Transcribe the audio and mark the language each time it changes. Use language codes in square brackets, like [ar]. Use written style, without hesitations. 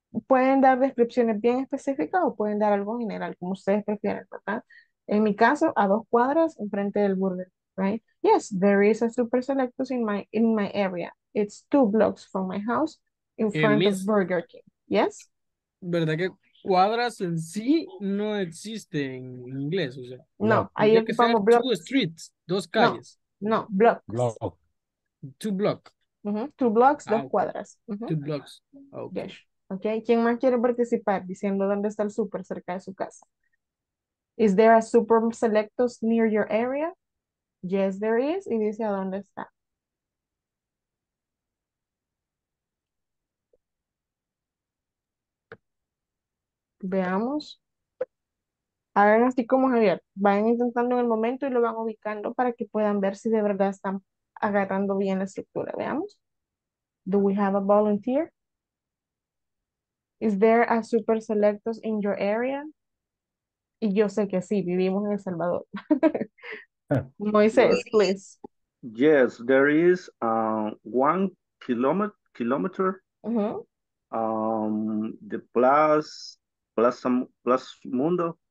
[es] Pueden dar descripciones bien específicas o pueden dar algo general, como ustedes prefieren, ¿verdad? En mi caso, a dos cuadras, enfrente del Burger King. Right. [en] Yes, there is a Super Selectos in my area. It's two blocks from my house in front of Burger King. Yes? [es] ¿Verdad que cuadras en sí no existe en inglés? O sea, no, ahí ocupamos blocks. [en] Two streets, [es] dos calles. [en] No, blocks. Block. Two blocks. Two blocks, [es] dos cuadras. [en] Two blocks. Okay. Yes. Okay. [es] ¿Quién más quiere participar diciendo dónde está el super cerca de su casa? [en] Is there a Super Selectos near your area? Yes, there is. [es] Y dice, ¿a dónde está? Veamos. A ver, así como Javier. Vayan intentando en el momento y lo van ubicando para que puedan ver si de verdad están agarrando bien la estructura. Veamos. [en] Do we have a volunteer? Is there a Super Selectos in your area? [es] Y yo sé que sí, vivimos en El Salvador. Moisés, please. [en] Yes, there is 1 kilometer. Mm-hmm. The Plaza Mundo.